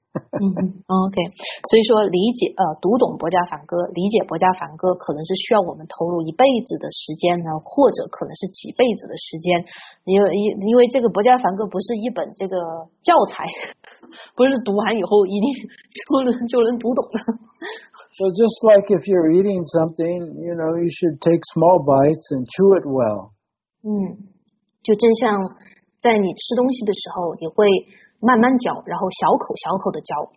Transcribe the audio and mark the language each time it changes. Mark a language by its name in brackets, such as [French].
[Chinese] Okay, 所以说理解读懂薄伽梵歌，理解薄伽梵歌可能是需要我们投入一辈子的时间呢，或者可能是几辈子的时间，因为这个薄伽梵歌不是一本这个教材，不是读完以后一定就能读懂的。 [English] So just like if you're eating something, you know, you should take small bites and chew it well. [Chinese] 就正像在你吃东西的时候，你会慢慢嚼，然后小口小口的嚼。